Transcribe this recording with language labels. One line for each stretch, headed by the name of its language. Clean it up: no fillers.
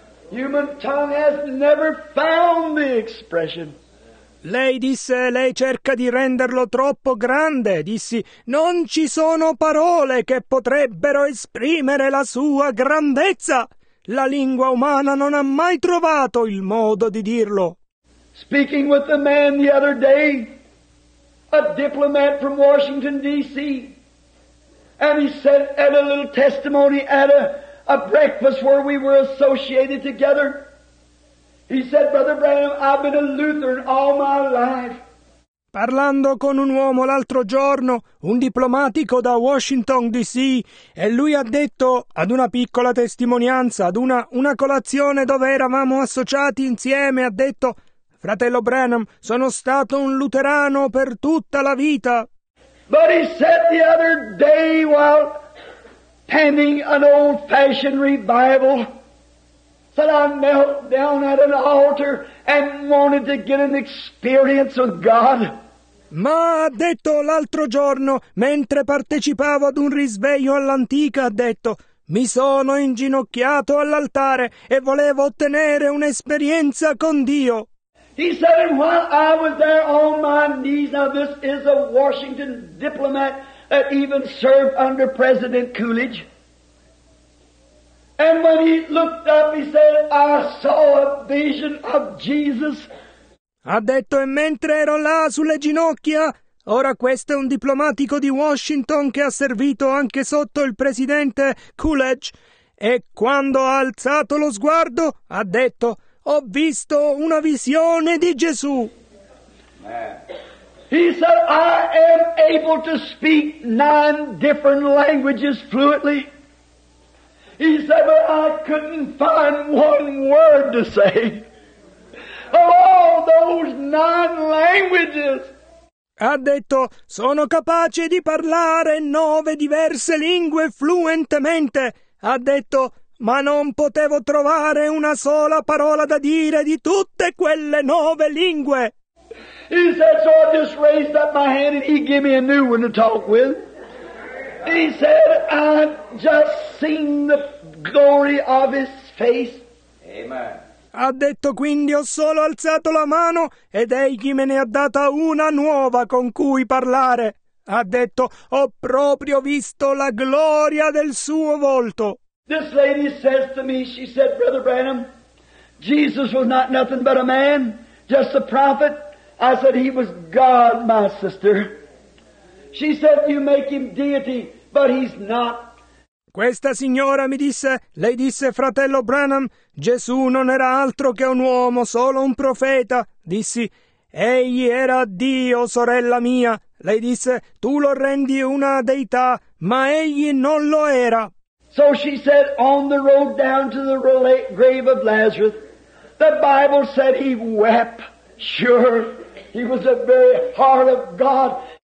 English: Human tongue has never found the expression.
Italian: Lei disse, lei cerca di renderlo troppo grande. Dissi, non ci sono parole che potrebbero esprimere la sua grandezza. La lingua umana non ha mai trovato il modo di dirlo.
English: Speaking with the man the other day, a diplomat from Washington, D.C., and he said at a little testimony at a breakfast where we were associated together, he said, Brother Branham, I've been a Lutheran all my life.
Italian: Parlando con un uomo l'altro giorno, un diplomatico da Washington, D.C., e lui ha detto ad una piccola testimonianza, ad una colazione dove eravamo associati insieme, ha detto, Fratello Branham, sono stato un luterano per tutta la vita.
English: But he said the other day while tending an old-fashioned revival, said, I knelt down at an altar and wanted to get an experience with God.
Italian: Ma ha detto l'altro giorno, mentre partecipavo ad un risveglio all'antica, ha detto, mi sono inginocchiato all'altare e volevo ottenere un'esperienza con Dio.
English: He said, and while I was there on my knees, now this is a Washington diplomat that even served under President Coolidge. And when he looked up, he said, I saw a vision of Jesus.
Italian: Ha detto, e mentre ero là sulle ginocchia, ora questo è un diplomatico di Washington che ha servito anche sotto il presidente Coolidge, e quando ha alzato lo sguardo, ha detto, ho visto una visione di Gesù.
English: He said, I am able to speak 9 different languages fluently. He said, but I couldn't find one word to say. Of all those 9 languages.
Italian: Ha detto, sono capace di parlare 9 diverse lingue fluentemente. Ha detto, ma non potevo trovare una sola parola da dire di tutte quelle 9 lingue.
English: He said, so I just raised up my hand and he gave me a new one to talk with. He said, I've just seen the glory of his face. Amen.
Italian: Ha detto, quindi ho solo alzato la mano ed egli me ne ha data una nuova con cui parlare. Ha detto, ho proprio visto la gloria del suo volto.
English: This lady says to me, she said, Brother Branham, Jesus was not nothing but a man, just a prophet. I said, he was God, my sister. She said, you make him deity, but he's not.
Italian: Questa signora mi disse, lei disse, fratello Branham, Gesù non era altro che un uomo, solo un profeta. Dissi, egli era Dio, sorella mia. Lei disse, tu lo rendi una deità, ma egli non lo era.
English: So she said, on the road down to the grave of Lazarus, the Bible said he wept. Sure, he was the very heart of God.